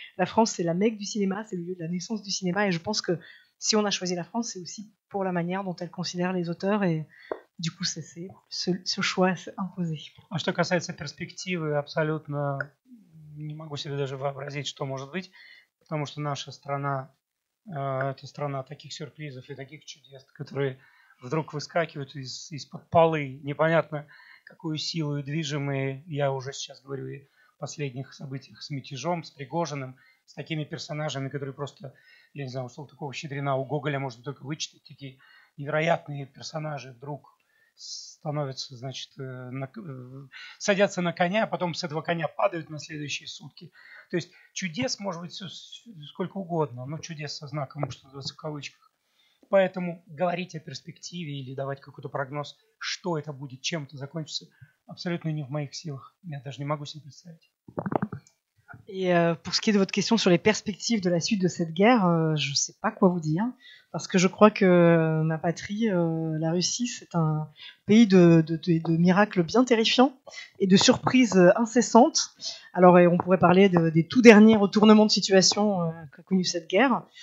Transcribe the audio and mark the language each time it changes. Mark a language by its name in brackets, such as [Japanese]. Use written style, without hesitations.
[French] La France, c'est la Mecque du cinéma, c'est le lieu de la naissance du cinéma. Et je pense que si on a choisi la France, c'est aussi pour la manière dont elle considère les auteurs. Et du coup, ce choix s'est imposé. En ce qui concerne ces perspectives, absolument, je ne peux même pas imaginer ce que peut être. [Russian] Потому что наша страна – это страна таких сюрпризов и таких чудес, которые вдруг выскакивают из-под полы, непонятно, какую силу и движимые. Я уже сейчас говорю о последних событиях с мятежом, с Пригожиным, с такими персонажами, которые просто, я не знаю, условно такого Щедрина, у Гоголя можно только вычитать, такие невероятные персонажи вдруг становятся, значит, садятся на коня, а потом с этого коня падают на следующие сутки. То есть чудес может быть все, сколько угодно, но чудес со знаком, что в кавычках. Поэтому говорить о перспективе или давать какой-то прогноз, что это будет, чем это закончится, абсолютно не в моих силах. Я даже не могу себе представить. [French] И pour ce qui est de votre question sur les perspectives de la suite de cette guerre, je ne sais pas quoi vous dire, parce que je crois que ma patrie, la Russie, c'est un pays de miracles bien terrifiants et de surprises incessantes. Alors, on pourrait parler des tout derniers retournements de situation qu'a connu cette guerre.